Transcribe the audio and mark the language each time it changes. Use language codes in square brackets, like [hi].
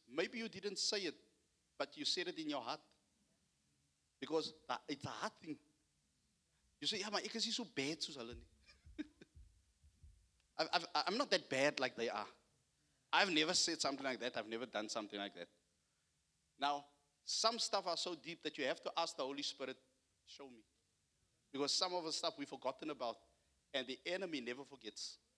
[en] Maybe you didn't say it, but you said it in your heart. Because it's a hard thing. You say, [af] ja, maar ek is nie so bad soos hulle nie. [en] I'm not that bad like they are. I've never said something like that. I've never done something like that. Now, some stuff are so deep that you have to ask the Holy Spirit, show me. Because some of the stuff we've forgotten about, and the enemy never forgets.